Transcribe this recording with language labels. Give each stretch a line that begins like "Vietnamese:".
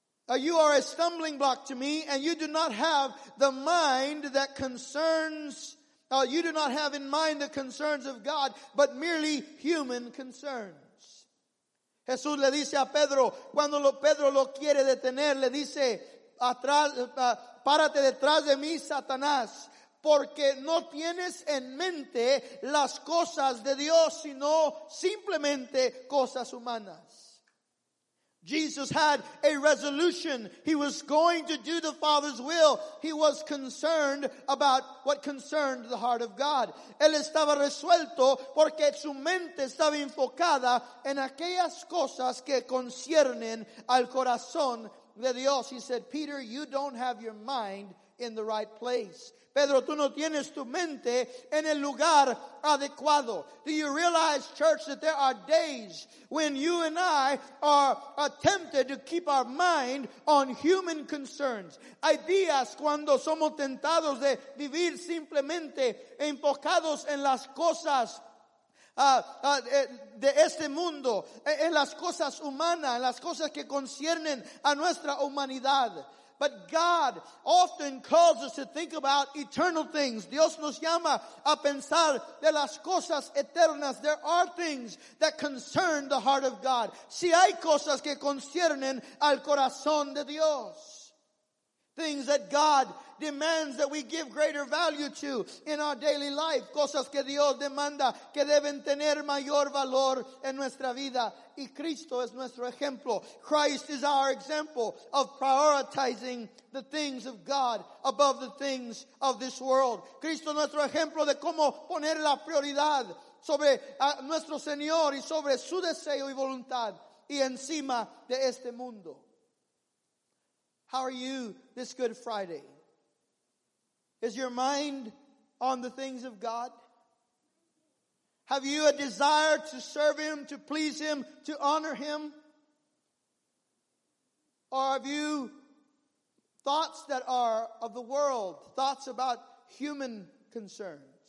English: You are a stumbling block to me, and you do not have the mind that concerns, you do not have in mind the concerns of God, but merely human concerns.
Spanish: Jesús le dice a Pedro, cuando Pedro lo quiere detener, le dice, párate detrás de mí, Satanás. Porque no tienes en mente las cosas de Dios, sino simplemente cosas humanas.
English: Jesus had a resolution. He was going to do the Father's will. He was concerned about what concerned the heart of God.
Spanish: Él estaba resuelto porque su mente estaba enfocada en aquellas cosas que conciernen al corazón de Dios.
English: He said, Peter, you don't have your mind in the right place.
Spanish: Pedro, tú no tienes tu mente en el lugar adecuado.
English: Do you realize, church, that there are days when you and I are tempted to keep our mind on human concerns?
Spanish: Hay días cuando somos tentados de vivir simplemente enfocados en las cosas de este mundo, en las cosas humanas, en las cosas que conciernen a nuestra humanidad.
English: But God often calls us to think about eternal things.
Spanish: Dios nos llama a pensar de las cosas eternas.
English: There are things that concern the heart of God.
Spanish: Si hay cosas que conciernen al corazón de Dios.
English: Things that God demands that we give greater value to in our daily life.
Spanish: Cosas que Dios demanda que deben tener mayor valor en nuestra vida. Y Cristo es nuestro ejemplo.
English: Christ is our example of prioritizing the things of God above the things of this world.
Spanish: Cristo es nuestro ejemplo de cómo poner la prioridad sobre nuestro Señor y sobre su deseo y voluntad y encima de este mundo.
English: How are you this Good Friday? Is your mind on the things of God? Have you a desire to serve Him, to please Him, to honor Him? Or have you thought thoughts that are of the world, thoughts about human concerns.